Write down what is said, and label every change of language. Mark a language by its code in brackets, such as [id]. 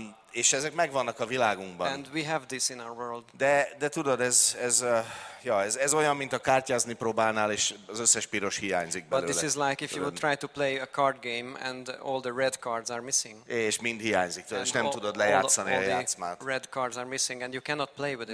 [hu] És ezek megvannak a világunkban. [en] And we have this in our world. [hu] De tudod, ez olyan, mint a kártyázni próbálnál, és az összes piros hiányzik belőle. [en] But this is like if you would try to play a card game and all the red cards are missing. [hu] És mind hiányzik, tudod, és nem tudod lejátszani a játszmát. [en] All the red cards are missing and you cannot play with it.